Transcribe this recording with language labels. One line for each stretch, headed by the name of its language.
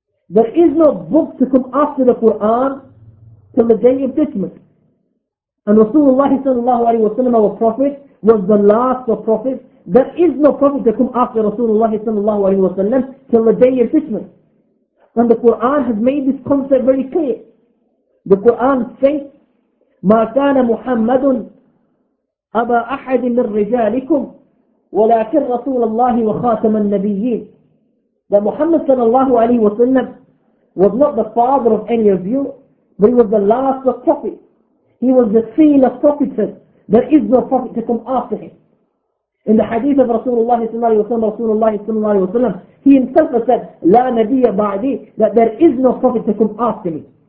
English: There is no book to come after the Quran till the day of judgment. And Rasulullah sallallahu alayhi wa sallam, our prophet, was the last of prophets. There is no prophet to come after Rasulullah sallallahu alayhi wa sallam till the day of judgment. And the Quran has made this concept very clear. The Quran says,
Arabic: مَا كَانَ مُحَمَّدٌ أَبَا أَحَدٍ مِنْ رِجَالِكُمْ وَلَكِنْ رَسُولَ اللَّهِ وَخَاتَمَ النَّبِيِّينَ.
English: That Muhammad sallallahu alayhi wa sallam was not the father of any of you, but he was the last of prophets. He was the seal of prophets, there is no prophet to come after him. In the hadith of Rasulullah sallallahu alayhi wa sallam, he himself has said,
Arabic: لا نبي بعدي,
English: that there is no prophet to come after me.